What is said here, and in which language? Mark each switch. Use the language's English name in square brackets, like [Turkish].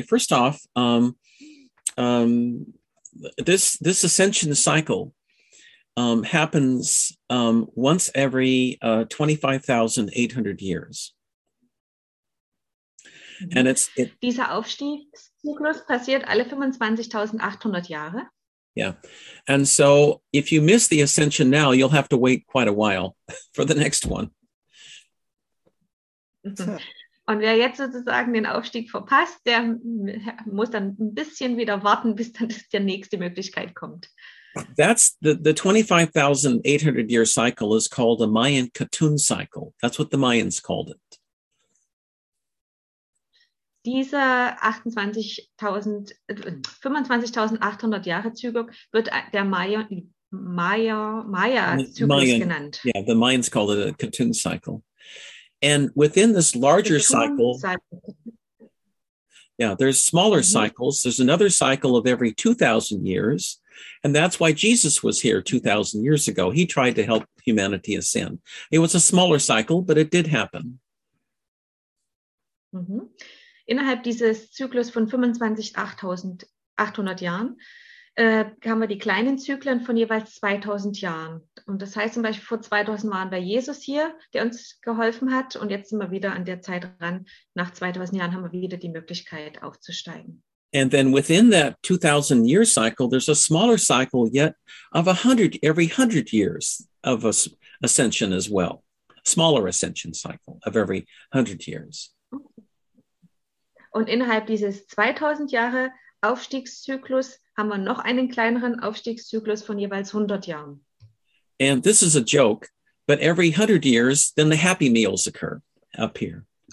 [English] First off, this ascension cycle happens once every 25,800 years. And [German] dieser Aufstiegszyklus passiert alle 25,800 Jahre. [English] Yeah. And so if you miss the ascension now, you'll have to wait quite a while for the next one. [German] Und wer jetzt sozusagen den Aufstieg verpasst, der muss dann ein bisschen wieder warten, bis dann die nächste Möglichkeit kommt. [English] That's the 25,800 year cycle is called a Mayan Katun cycle. That's what the Mayans called it. [German] Dieser 25,800 Jahre Zyklus wird der Maya Zyklus Mayan, genannt. [English] Yeah, the Mayans called it a Katun cycle. And within this larger cycle. Yeah, there's smaller cycles. There's another cycle of every 2,000 years. And that's why Jesus was here 2,000 years ago. He tried to help humanity ascend. It was a smaller cycle, but it did happen. [German] Mm-hmm. Innerhalb dieses Zyklus von 25,800 Jahren haben wir die kleinen Zyklen von jeweils 2000 Jahren. Und das heißt zum Beispiel, vor 2000 waren wir Jesus hier, der uns geholfen hat. Und jetzt sind wir wieder an der Zeit dran. Nach 2000 Jahren haben wir wieder die Möglichkeit aufzusteigen. [English] And then within that 2000-year cycle, there's a smaller cycle yet of 100, every 100 years of ascension as well. Smaller ascension cycle of every 100 years. [German] Und innerhalb dieses 2000 Jahre Aufstiegszyklus haben wir noch einen kleineren Aufstiegszyklus von jeweils 100 Jahren. [English] And this is a joke, but every 100 years, then the happy meals occur up here.